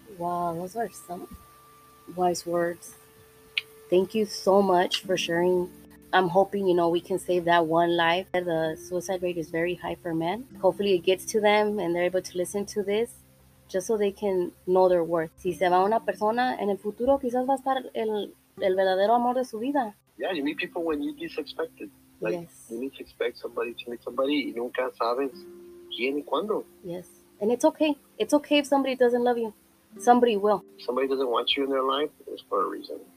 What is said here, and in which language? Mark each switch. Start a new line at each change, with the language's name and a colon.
English: Wow, those are some wise words. Thank you so much for sharing. I'm hoping, you know, we can save that one life. The suicide rate is very high for men. Hopefully it gets to them and they're able to listen to this just so they can know their worth.
Spanish: Si se va una persona, en el futuro quizás va a estar el verdadero amor de su vida.
English: Yeah, you meet people when you least expect it. Like, yes. You need to expect somebody to meet somebody
Spanish: y nunca sabes quién y cuándo.
English: Yes, and it's okay. It's okay if somebody doesn't love you. Somebody will. Somebody doesn't want you in their life, it's for a reason.